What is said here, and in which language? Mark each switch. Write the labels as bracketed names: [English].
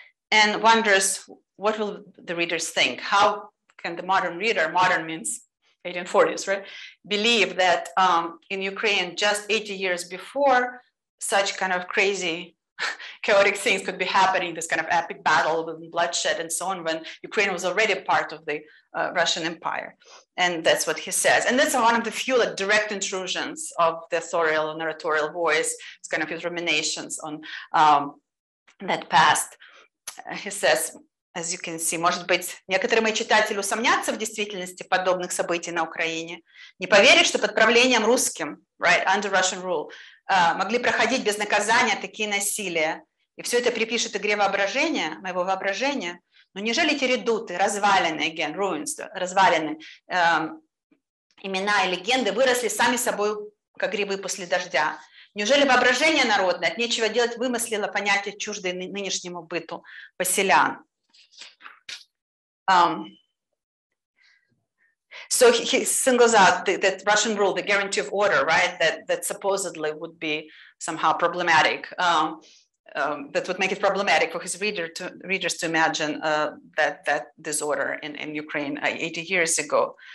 [English] and wonders what will the readers think? How can the modern reader, modern means 1840s, right, believe that in Ukraine just 80 years before such kind of crazy chaotic things could be happening, this kind of epic battle with bloodshed and so on, when Ukraine was already part of the Russian Empire. And that's what he says. And that's one of the few like, direct intrusions of the authorial and narratorial voice. It's kind of his ruminations on that past. He says, as you can see, [Russian] может быть, некоторые мои читатели усомнятся в действительности подобных событий на Украине. Не поверят, что под правлением русским, [English] right, under Russian rule, [Russian] могли проходить без наказания такие насилия. И все это припишет игре воображения, моего воображения. Но неужели эти редуты, развалины, [English] again, ruins, [Russian] развалины, имена и легенды выросли сами собой, как грибы после дождя? Неужели воображение народное от нечего делать вымыслило понятие чуждой нынешнему быту поселян? [English] So he singles out that Russian rule, the guarantee of order, right, that supposedly would be somehow problematic, that would make it problematic for his readers to imagine that disorder in Ukraine 80 years ago.